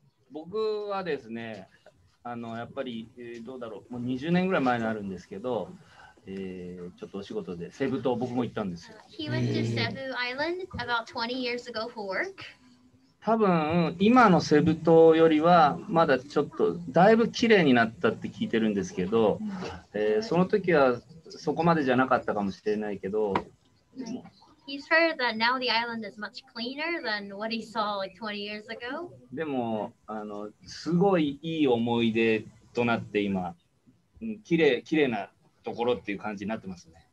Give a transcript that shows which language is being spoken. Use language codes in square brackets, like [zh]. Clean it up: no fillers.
[ja] 僕はですね、あのやっぱり、どうだろう、もう20年ぐらい前になるんですけど、ちょっとお仕事でセブ島僕も行ったんですよ。 [en] He went to Cebu Island about 20 years ago for work. [ja] 多分今のセブ島よりはまだちょっとだいぶ綺麗になったって聞いてるんですけど、その時はそこまでじゃなかったかもしれないけど、 [en] He's heard that now the island is much cleaner than what he saw like 20 years ago. [ja] でもあのすごいいい思い出となって今、綺麗なところっていう感じになってますね。